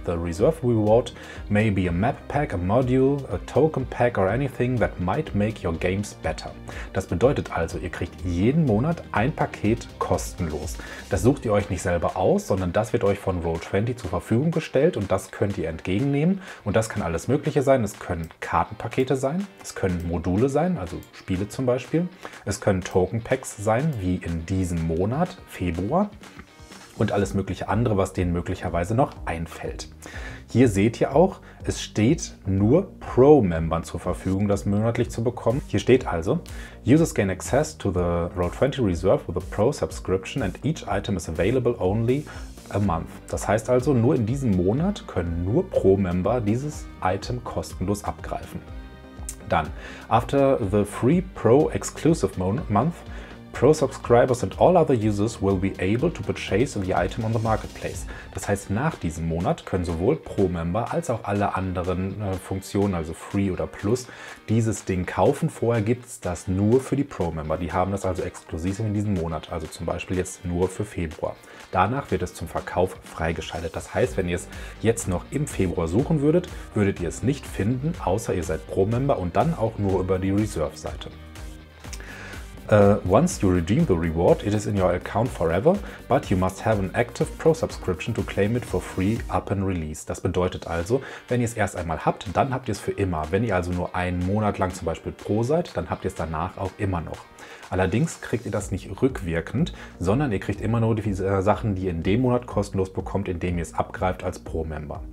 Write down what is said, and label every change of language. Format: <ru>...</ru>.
<en>The Reserve reward may be a map pack, a module, a token pack or anything that might make your games better.</en> <de>Das bedeutet also, ihr kriegt jeden Monat ein Paket kostenlos. Das sucht ihr euch nicht selber aus, sondern das wird euch von Roll20 zur Verfügung gestellt und das könnt ihr entgegennehmen. Und das kann alles Mögliche sein. Es können Kartenpakete sein, es können Module sein, also Spiele zum Beispiel. Es können Token Packs sein, wie in diesem Monat, Februar. Und alles mögliche andere, was denen möglicherweise noch einfällt. Hier seht ihr auch, es steht nur Pro-Membern zur Verfügung, das monatlich zu bekommen. Hier steht also,</de> <en>Users gain access to the Roll20 Reserve with a Pro-Subscription and each item is available only a month.</en> <de>Das heißt also, nur in diesem Monat können nur Pro-Member dieses Item kostenlos abgreifen.</de> <en>Dann, after the free Pro-Exclusive Month, Pro Subscribers and all other users will be able to purchase the item on the marketplace.</en> <de>Das heißt, nach diesem Monat können sowohl Pro-Member als auch alle anderen Funktionen, also Free oder Plus, dieses Ding kaufen. Vorher gibt es das nur für die Pro-Member. Die haben das also exklusiv in diesem Monat, also zum Beispiel jetzt nur für Februar. Danach wird es zum Verkauf freigeschaltet. Das heißt, wenn ihr es jetzt noch im Februar suchen würdet, würdet ihr es nicht finden, außer ihr seid Pro-Member und dann auch nur über die Reserve-Seite.</de> <en>Once you redeem the reward, it is in your account forever, but you must have an active Pro Subscription to claim it for free upon release.</en> <de>Das bedeutet also, wenn ihr es erst einmal habt, dann habt ihr es für immer. Wenn ihr also nur einen Monat lang zum Beispiel Pro seid, dann habt ihr es danach auch immer noch. Allerdings kriegt ihr das nicht rückwirkend, sondern ihr kriegt immer nur die Sachen, die ihr in dem Monat kostenlos bekommt, indem ihr es abgreift als Pro-Member.</de>